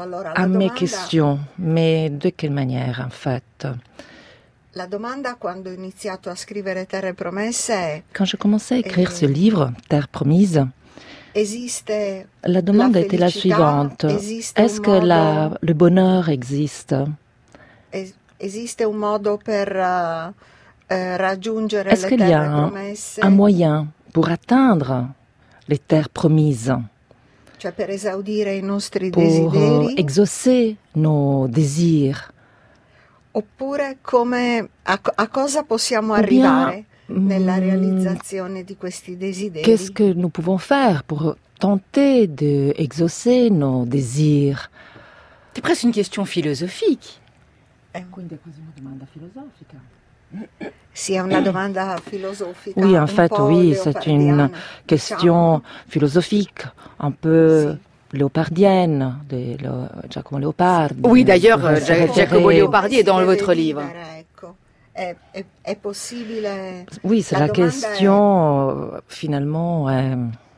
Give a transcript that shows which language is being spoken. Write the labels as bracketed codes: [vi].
[fr] Allora, à mes questions, mais de quelle manière en fait? [it] La domanda quando ho iniziato a scrivere Terre promesse è. [fr] Quand j'ai commencé à écrire ce livre, Terre promise. Existe la demande était la suivante. Est-ce que le bonheur existe? [it] Existe un modo per raggiungere [fr] est-ce le qu'il y a un moyen pour atteindre les terres promises? [it] Cioè per esaudire i nostri [fr] pour exaucer nos désirs? [it] Oppure come a cosa possiamo arrivare nella realizzazione di questi desideri? [fr] Qu'est-ce que nous pouvons faire pour tenter de exaucer nos désirs? C'est presque une question philosophique. [it] Quindi è quasi una domanda filosofica. Sì, è una domanda filosofica. [fr] Oui, en fait, oui, c'est une question philosophique, un peu léopardienne, de Giacomo Leopardi. Oui, d'ailleurs, Giacomo Leopardi est dans votre livre. [it] È possibile. [fr] Oui, c'est la question, finalement.